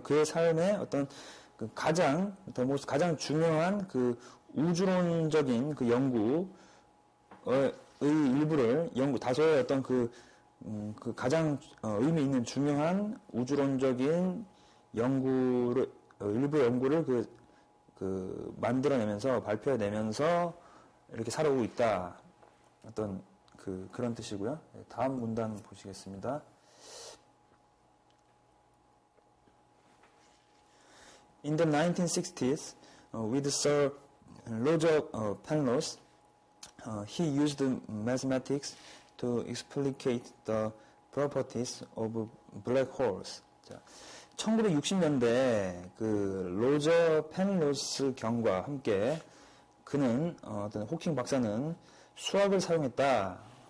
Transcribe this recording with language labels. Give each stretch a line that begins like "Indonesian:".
Korean: 그의 삶의 어떤 가장 중요한 우주론적인 다소의 어떤 가장 의미 있는 중요한 우주론적인 연구를, 일부 연구를 만들어내면서, 발표해내면서 이렇게 살아오고 있다. 어떤 그런 뜻이고요. 다음 문단 보시겠습니다.
English: 1960s, with Sir Roger Penrose, he used mathematics to explicate the properties of black holes.
Korean: 자, 1960년대 로저 펜로스 경과 함께 그는 어떤 호킹 박사는 수학을 사용했다.